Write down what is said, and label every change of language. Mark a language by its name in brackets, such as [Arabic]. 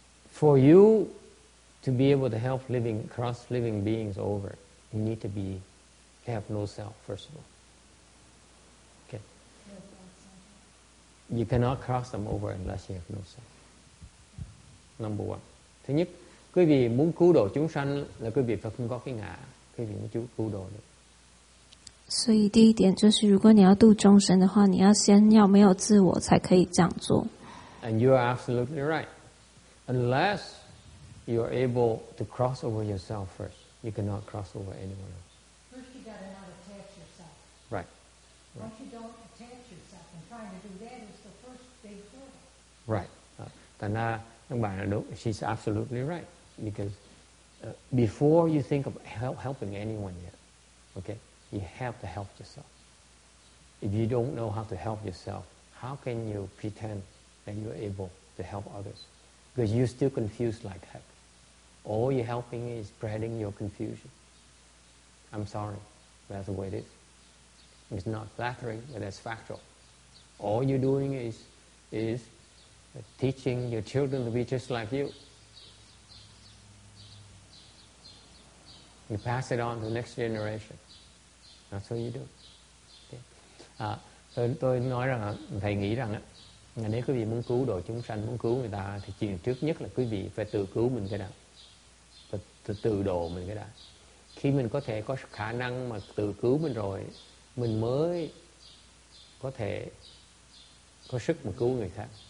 [English] For you to be able to help living beings over, you need to have no self, first of all. Okay. You cannot cross them over unless you have no self. Number one. [Vietnamese] Thứ nhất, quý vị muốn cứu độ chúng sanh là quý vị phải không có cái ngã, quý vị muốn cứu độ được. [Chinese] 所以第一点就是，如果你要度众生的话，你要先要没有自我，才可以这样做。 [English] And you are absolutely right. Unless you are able to cross over yourself first, you cannot cross over anyone else. First, you got to not attach yourself. Right. Once you don't attach yourself and try to do that, it's the first big hurdle. Right. Tana, [Vietnamese] ông bà nói, [English] she's absolutely right. Because before you think of helping anyone yet, okay. You have to help yourself. If you don't know how to help yourself, how can you pretend that you're able to help others? Because you're still confused like heck. All you're helping is spreading your confusion. I'm sorry, that's the way it is. It's not flattering, but that's factual. All you're doing is teaching your children to be just like you. You pass it on to the next generation. That's what you do. Okay. [Vietnamese] Tôi nói rằng, thầy nghĩ rằng, nếu quý vị muốn cứu độ chúng sanh, muốn cứu người ta, thì chuyện trước nhất là quý vị phải tự cứu mình cái đã. Tự độ mình cái đã. Khi mình có thể có khả năng mà tự cứu mình rồi, mình mới có thể có sức mà cứu người khác.